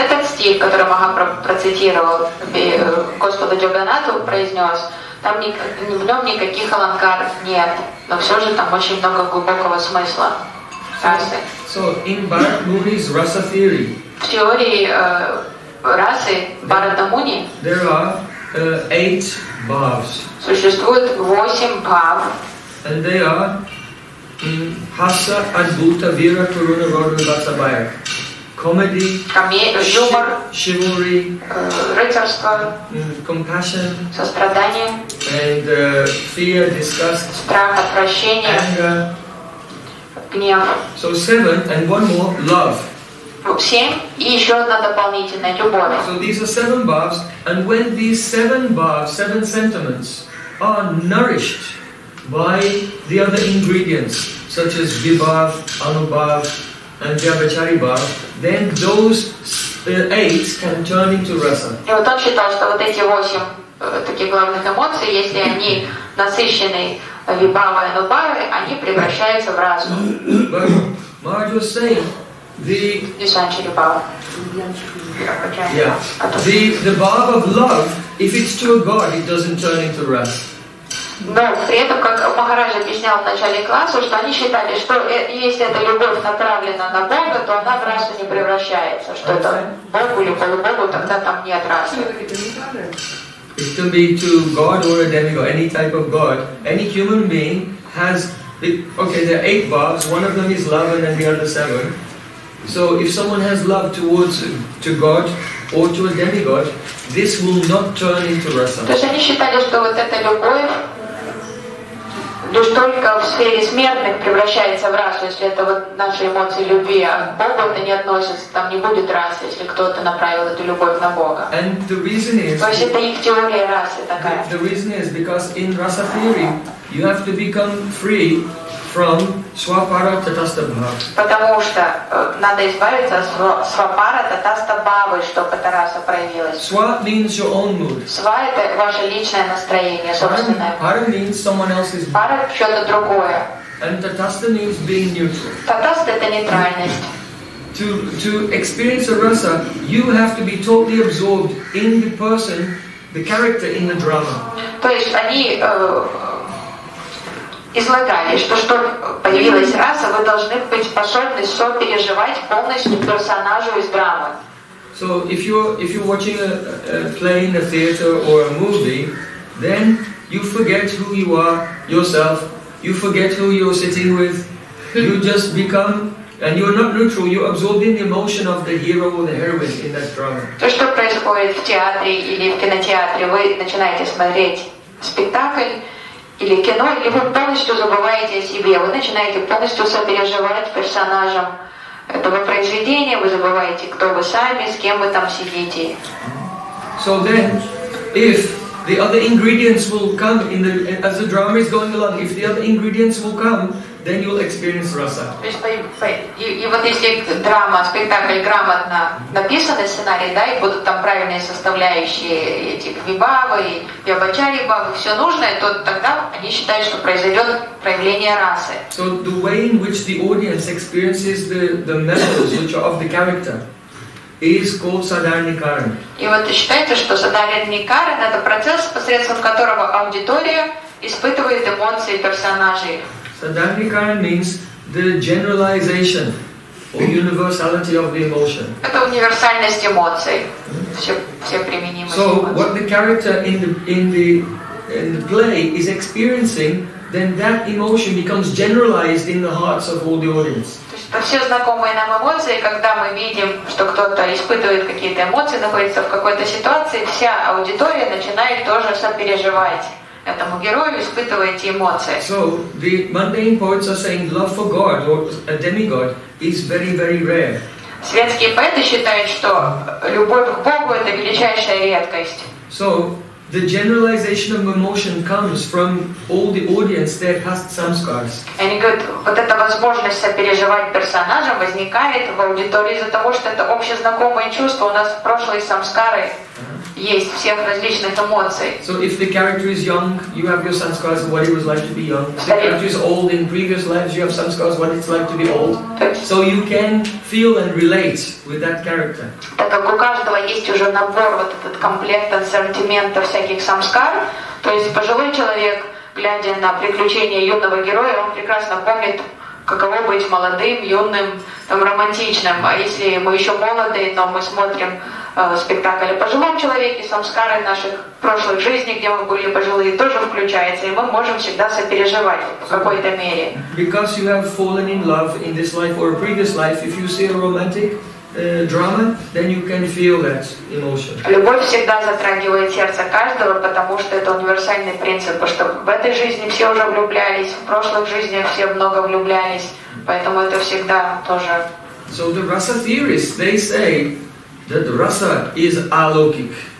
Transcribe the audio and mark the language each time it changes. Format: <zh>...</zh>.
<ru>Вот этот стих, который Махапрабху процитировал, Господа Джаганнату произнес, там в нем никаких аланкар нет, но все же там очень много глубокого смысла.</ru> <en>So in Bharat Muni's rasa theory,</en> <ru>в теории расы Bharata Muni,</ru> <en>there are eight bhavs.</en> <ru>Существует восемь бхав.</ru> <en>And they are Hasa, Adbhuta, Vira, Karuna, Rodra, Vatsa, Bhaya. Comedy, humor, chivalry,</en> <ru>рыцарство,</ru> <en>compassion,</en> <ru>сострадание,</ru> <en>and fear, disgust,</en> <ru>страх, отвращение,</ru> <en>anger,</en> <ru>гнев.</ru> <en>So seven, and one more, love.</en> <ru>Семь, и еще одна дополнительная, любовь.</ru> <en>So these are seven bhavs, and when these seven bhavs, seven sentiments, are nourished by the other ingredients, such as vibhav, anubhav, and vyabhacharibhav, then those eight can turn into rasa.</en> <ru>И вот он считал, что вот эти восемь таких главных эмоций, если они насыщены вибхавой и анубхавой, они превращаются в разум.</ru> <en>But Maharaj was saying, the bhav of love, if it's to a god, it doesn't turn into rasa.</en> <ru>Но при этом, как Махарадж объяснял в начале класса, что они считали, что если эта любовь направлена на Бога, то она в расу не превращается, что это Богу или полубогу, тогда там нет расы.</ru> <en>It can be to God or a demigod, any type of God, any human being has, okay, there are eight bhavs, one of them is love and then the other seven. So if someone has love towards to God or to a demigod, this will not turn into rasa.</en> <ru>То есть они считали, что вот эта любовь лишь только в сфере смертных превращается в расу, если это вот наши эмоции любви, а к Богу это не относится, там не будет расы, если кто-то направил эту любовь на Бога.</ru> <en>And the reason is,</en> <ru>то есть это их теория расы такая.</ru> <en>The reason is because in rasa theory you have to become free from swapara tatastha bhava.</en> <ru>Потому что надо избавиться от свапара татастха бхавы, чтобы эта раса проявилась.</ru> <en>Сва means your own mood.</en> <ru>Сва – это ваше личное настроение, собственное.</ru> <en>Пара means someone else's mood.</en> <ru>Пара – что-то другое.</ru> <en>And tatastha means being neutral.</en> <ru>Татастха – это нейтральность.</ru> <en>To experience a rasa, you have to be totally absorbed in the person, the character in the drama.</en> <ru>То есть они излагали, что чтобы появилась раса, вы должны быть способны сопереживать полностью персонажу из драмы.</ru> <en>So if you're watching a play in a theater or a movie, then you forget who you are yourself, you forget who you're sitting with, you just become, and you're not neutral, you're absorbing the emotion of the hero or the heroine in that drama.</en> <ru>То, что происходит в театре или в кинотеатре, вы начинаете смотреть спектакль или кино, или вы полностью забываете о себе, вы начинаете полностью сопереживать персонажам этого произведения, вы забываете, кто вы сами, с кем вы там сидите.</ru> <en>So then, if the other ingredients will come in the as the drama is going along, if the other ingredients will come, then you'll experience rasa.</en> <ru>И вот если драма, спектакль грамотно написанный сценарий, да, и будут там правильные составляющие этих вибавы и вибачари вибавы, все нужное, то тогда они считают, что произойдет проявление расы.</ru> <en>So the way in which the audience experiences the metals which are of the character is called sadharanikaran.</en> <ru>И вот считается, что sadharanikaran это процесс, посредством которого аудитория испытывает эмоции персонажей. Sadharanikaran means the generalization or universality of the emotion. Это универсальность эмоций. Все применимо.</ru> <en>So what the character in the play is experiencing, then that emotion becomes generalized in the hearts of all the audience.</en> <ru>Это все знакомые нам эмоции, когда мы видим, что кто-то испытывает какие-то эмоции, находится в какой-то ситуации, вся аудитория начинает тоже сопереживать. Этому герою испытываете эмоции.</ru> <en>So the mundane poets are saying love for God or a demigod is very, very rare.</en> <ru>Светские поэты считают, что любовь к Богу это величайшая редкость.</ru> <en>So the generalization of emotion comes from all the audience their past samskaras.</en> <ru>Они говорят, вот эта возможность сопереживать персонажам возникает в аудитории из-за того, что это общезнакомые чувства у нас в прошлые самскары. Есть всех различных эмоций.</ru> <en>So if the character is young, you have your samskaras of what it was like to be young. If the character is old, in previous lives you have samskaras of what it's like to be old. So you can feel and relate with that character.</en> <ru>Так как у каждого есть уже набор вот этот комплект ассортимента всяких самскар, то есть пожилой человек, глядя на приключения юного героя, он прекрасно помнит, каково быть молодым, юным, там романтичным. А если мы еще молодые, то мы смотрим спектакль о пожилом человеке, самскары наших прошлых жизней, где мы были пожилые, тоже включается, и мы можем всегда сопереживать в какой-то мере.</ru> <en>Because you have fallen in love in this life or a previous life, if you see a romantic drama, then you can feel that emotion.</en> <ru>Любовь всегда затрагивает сердце каждого, потому что это универсальный принцип, потому что в этой жизни все уже влюблялись, в прошлых жизнях все много влюблялись, поэтому это всегда тоже.</ru> <en>So the rasa theorists, they say that the rasa is alaukik.</en>